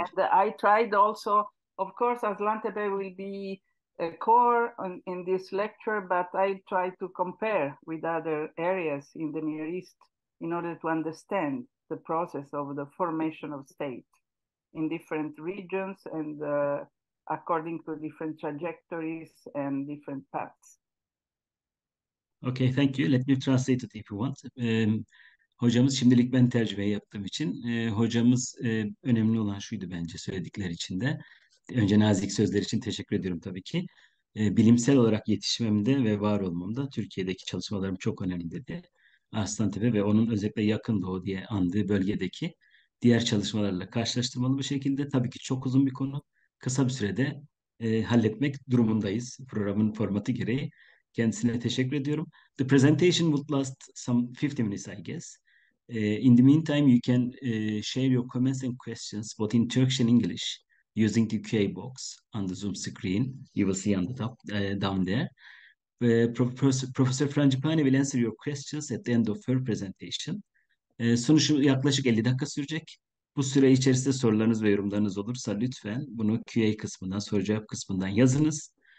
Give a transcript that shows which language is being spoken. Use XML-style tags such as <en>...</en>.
<en>And I tried also, of course, Arslantepe will be a core in this lecture, but I try to compare with other areas in the Near East in order to understand the process of the formation of state in different regions and according to different trajectories and different paths. Okay, thank you. Let me translate it if you want.</en> <tr>Hocamız, şimdilik ben tercümeyi yaptığım için, hocamız önemli olan şuydu bence söyledikleri için de. Önce nazik sözler için teşekkür ediyorum tabii ki. Bilimsel olarak yetişmemde ve var olmamda Türkiye'deki çalışmalarım çok önemli dedi. Arslantepe ve onun özellikle yakın doğu diye andığı bölgedeki diğer çalışmalarla karşılaştırmalı bir şekilde. Tabii ki çok uzun bir konu. Kısa bir sürede halletmek durumundayız. Programın formatı gereği. Kendisine teşekkür ediyorum.</tr> <en>The presentation would last some 50 minutes, I guess. In the meantime, you can share your comments and questions both in Turkish and English, using the QA box on the Zoom screen. You will see on the top, down there. Professor Frangipane will answer your questions at the end of her presentation.</en> <tr>Sunuşu yaklaşık 50 dakika sürecek. Bu süre içerisinde sorularınız ve yorumlarınız olursa lütfen bunu QA kısmından, soru cevap kısmından yazınız.</tr>